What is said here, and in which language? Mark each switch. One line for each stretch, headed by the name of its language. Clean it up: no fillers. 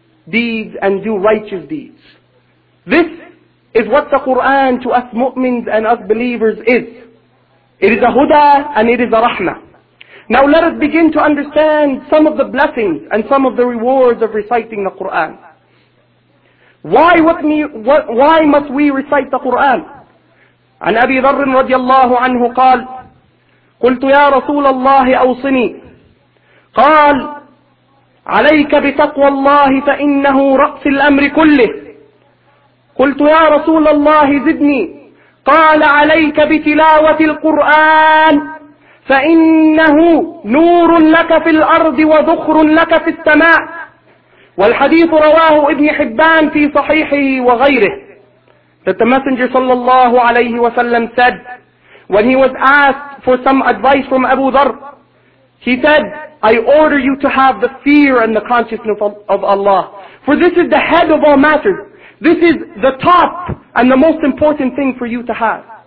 English: deeds and do righteous deeds. This is what the Quran to us mu'mins and us believers is. It is a huda and it is a rahmah. Now let us begin to understand some of the blessings and some of the rewards of reciting the Quran. Why must we recite the Quran?
Arabic: عن أبي ذر رضي الله عنه قال قلت يا رسول الله أوصني قال عليك بتقوى الله فإنه رأس الأمر كله قلت يا رسول الله زدني قال عليك بتلاوة القرآن فإنه نور لك في الأرض وذخر لك في السماء والحديث رواه ابن حبان في صحيحه وغيره.
English: That the Messenger sallallahu alayhi wa sallam said, when he was asked for some advice from Abu Dharr, he said, I order you to have the fear and the consciousness of Allah. For this is the head of all matters. This is the top and the most important thing for you to have.